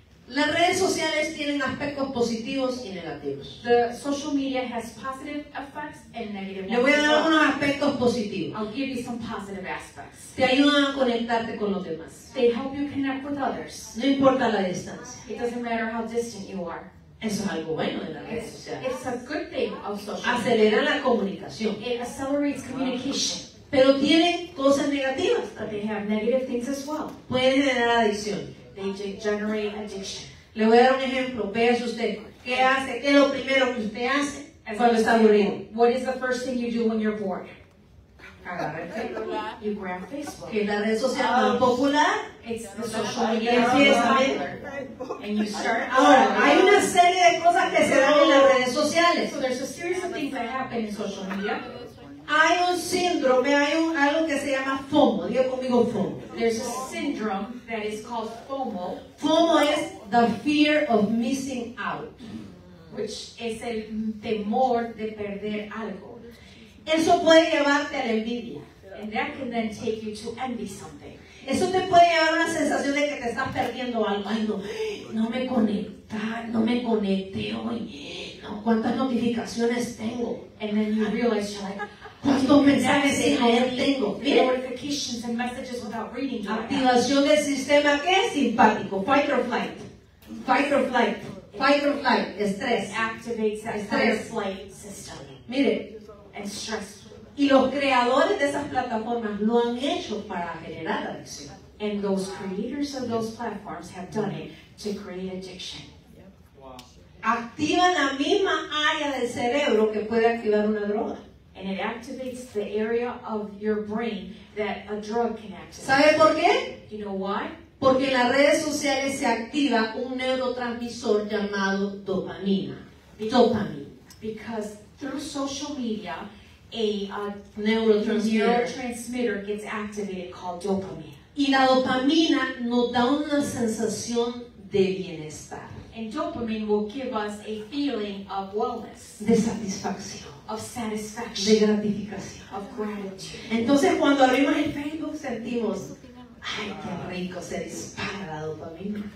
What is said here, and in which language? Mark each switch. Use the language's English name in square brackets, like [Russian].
[Spanish] Las redes sociales tienen aspectos positivos y negativos. [English] The social media has positive effects and negative [Spanish] effects. Le voy a dar algunos aspectos positivos. [English] I'll give you some positive aspects. [Spanish] Te ayudan a conectarte con los demás. [English] They help you connect with others. [Spanish] No importa la distancia. [English] It doesn't matter how distant you are. [Spanish] Eso es algo bueno de las redes sociales. [English] It's a good thing of social. [Spanish] Acelera la comunicación. [English] It accelerates communication. [Spanish] Pero tiene cosas negativas. [English] But they have negative things as well. [Spanish] Puede generar adicción. [English] They generate addiction. [Spanish] Le voy a dar un ejemplo. Véase usted. ¿Qué hace? ¿Qué es lo primero que usted hace cuando está aburrido? [English] What is the first thing you do when you're bored? [Spanish] Agarra el celular. [English] You grab Facebook. [Spanish] ¿Qué es la red social más popular? [English] It's the social media most popular. And you start. [Spanish] Ahora, hay una serie de cosas que se dan en las redes sociales. [English] So there's a series of things that happen in social media. [Spanish] Hay un síndrome, hay algo que se llama FOMO. Diga conmigo FOMO. [English] There's a syndrome that is called FOMO. FOMO is the fear of missing out. [Spanish] Which es el temor de perder algo. Eso puede llevarte a la envidia. [English] And that can then take you to envy something. [Spanish] Eso te puede llevar a una sensación de que te estás perdiendo algo. Ay, no me conecté hoy. No, ¿cuántas notificaciones tengo? [English] And then you realize you're like, [Spanish] ¿Cuántos mensajes en leer tengo? [English] Notifications and messages without reading. [Spanish] Activación del sistema que es simpático. [English] Fight or flight. Fight or flight. [Spanish] Fight or flight. Estrés. [English] Activates that stress flight system. [Spanish] Mire. [English] And stress. [Spanish] Y los creadores de esas plataformas lo han hecho para generar adicción. [English] And those creators of those platforms have done it to create addiction. [Spanish] Activa la misma área del cerebro que puede activar una droga. [English] And it activates the area of your brain that a drug can activate. [Spanish] ¿Sabe por qué? [English] You know why? [Spanish] Porque en las redes sociales se activa un neurotransmisor llamado dopamina. [English] Because through social media, a neurotransmitter gets activated called dopamine. [Spanish] Y la dopamina nos da una sensación de bienestar. [English] And dopamine will give us a feeling of wellness. [Spanish] De satisfacción. [English] Of satisfaction. [Spanish] De gratificación. [English] Of gratitude. [Spanish] Entonces cuando abrimos el Facebook sentimos, ay, qué rico, se dispara la dopamina.